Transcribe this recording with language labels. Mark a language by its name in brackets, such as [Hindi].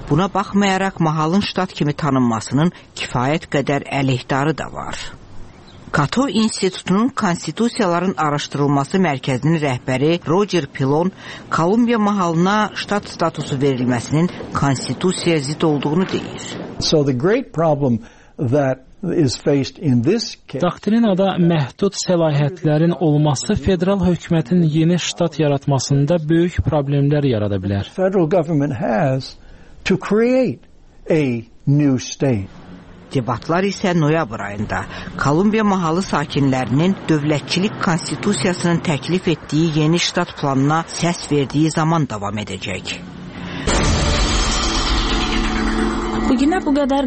[Azerbaijani] Buna baxmayaraq mahalın ştat kimi tanınmasının kifayət qədər əleyhdarı da var. Kato İnstitutunun Konstitusiyaların Araşdırılması Mərkəzinin rəhbəri Roger Pilon Kolumbiya mahalına ştat statusu verilməsinin konstitusiyaya zidd olduğunu deyir. [English] So the great problem that is faced in this case. [Azerbaijani] Doktrinada məhdud səlahiyyətlərin olması federal hökumətin yeni ştat yaratmasında böyük problemlər yarada bilər. [English] Federal government has to create a new state. [Azerbaijani] Debatlar isə noyabr ayında Kolumbiya mahalı sakinlərinin dövlətçilik konstitusiyasının təklif etdiyi yeni ştat planına səs verdiyi zaman davam edəcək. Bugünə bu qədər.